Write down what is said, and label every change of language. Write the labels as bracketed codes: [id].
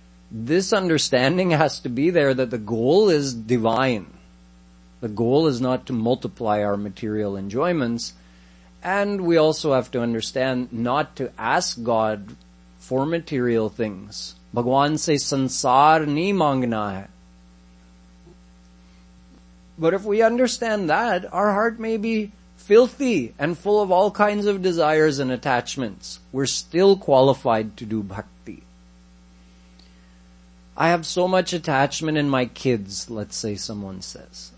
[en] This understanding has to be there that the goal is divine. The goal is not to multiply our material enjoyments. And we also have to understand not to ask God for material things. [hi] भगवान [en] says, [hi] संसार नी मांगना है. [en] But if we understand that, our heart may be filthy and full of all kinds of desires and attachments. We're still qualified to do bhakti. I have so much attachment in my kids, let's say someone says.